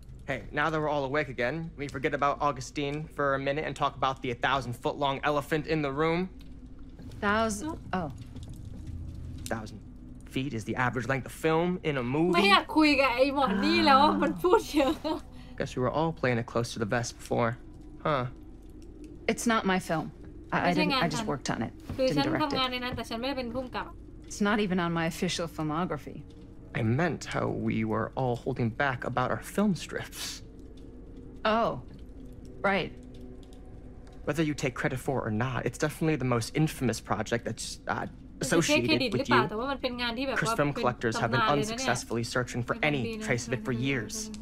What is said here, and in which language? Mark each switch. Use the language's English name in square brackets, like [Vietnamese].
[English] Hey, now that we're all awake again, can we forget about Augustine for a minute and talk about the 1,000-foot-long elephant in the room? Thousand. Feet is the average length of film in a movie. [Thai] ไม่อยากคุยกับไอ้หมอนนี่แล้วมันพูดเยอะ [English] Guess we were all playing it close to the vest before, huh? It's not my film. I just worked on it. Didn't direct it. [Thai] ฉันทำงานในนั้นแต่ฉันไม่ได้เป็นผู้กำกับ [English] It's not even on my official filmography. I meant how we were all holding back about our film strips. Oh, right. Whether you take credit for it or not, it's definitely the most infamous project that's. Associated with you, Chris Film Collectors have been unsuccessfully searching for any trace of it for years.